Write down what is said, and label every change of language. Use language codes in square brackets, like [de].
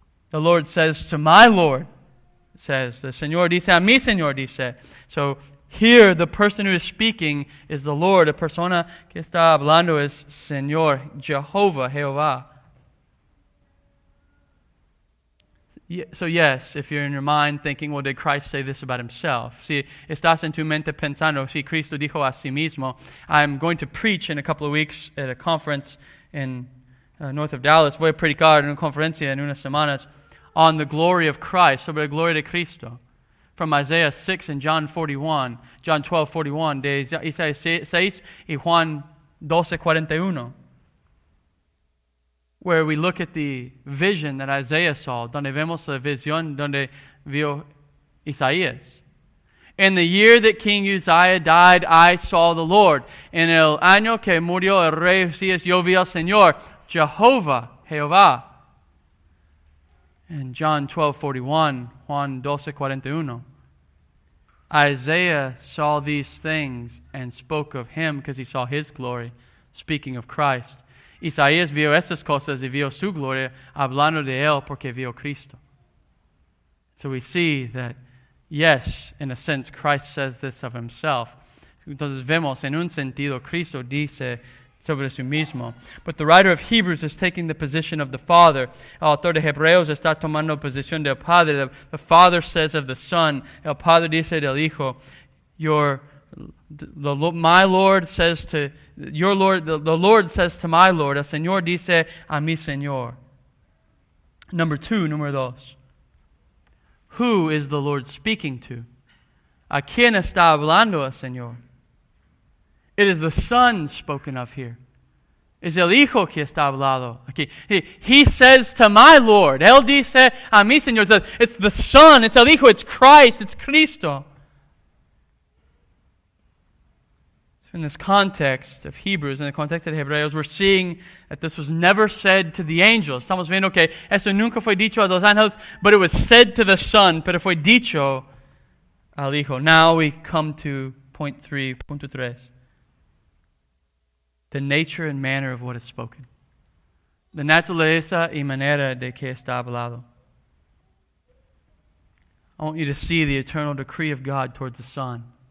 [en] The Lord says to my Lord, says, the [es] Señor dice a mi Señor dice. [en] So, here, the person who is speaking is the Lord. [es] La persona que está hablando es Señor, Jehovah, Jehovah. [en] So yes, if you're in your mind thinking, well, did Christ say this about himself? [es] Si estás en tu mente pensando, si Cristo dijo a sí mismo, [en] I'm going to preach in a couple of weeks at a conference in north of Dallas. [es] Voy a predicar en una conferencia en unas semanas [en] on the glory of Christ, [es] sobre la gloria de Cristo. [en] From Isaiah 6 and John 41, John 12, 41, [es] de Isaías 6 y Juan 12, 41, [en] where we look at the vision that Isaiah saw, [es] donde vemos la visión donde vio Isaías. [en] In the year that King Uzziah died, I saw the Lord. [es] En el año que murió el rey Uzías, yo vi al Señor, Jehovah, Jehovah. [en] And John 12, 41, Juan 12, 41, Isaiah saw these things and spoke of him because he saw his glory, speaking of Christ. [es] Isaías vio estas cosas y vio su gloria, hablando de él porque vio Cristo. [en] So we see that, yes, in a sense, Christ says this of himself. [es] Entonces vemos, en un sentido, Cristo dice sobre su mismo. [en] But the writer of Hebrews is taking the position of the Father. [es] El autor de Hebreos está tomando posición del Padre. [en] The Father says of the Son, [es] el Padre dice del Hijo, [en] your My Lord says to your Lord, the Lord says to my Lord, [es] a Señor dice a mi Señor. [en] Number two, [es] número dos. [en] Who is the Lord speaking to? [es] ¿A quién está hablando el Señor? [en] It is the Son spoken of here. [es] Es el Hijo que está hablando aquí. [en] He says to my Lord. [es] Él dice a mi Señor. [en] It's the Son. It's el Hijo. It's Christ. It's Cristo. In this context of Hebrews, in the context of Hebreos, we're seeing that this was never said to the angels. [es] Estamos viendo que eso nunca fue dicho a los ángeles, [en] but it was said to the Son, [es] pero fue dicho al Hijo. [en] Now we come to punto tres. The nature and manner of what is spoken. [es] La naturaleza y manera de que está hablado. [en] I want you to see the eternal decree of God towards the Son.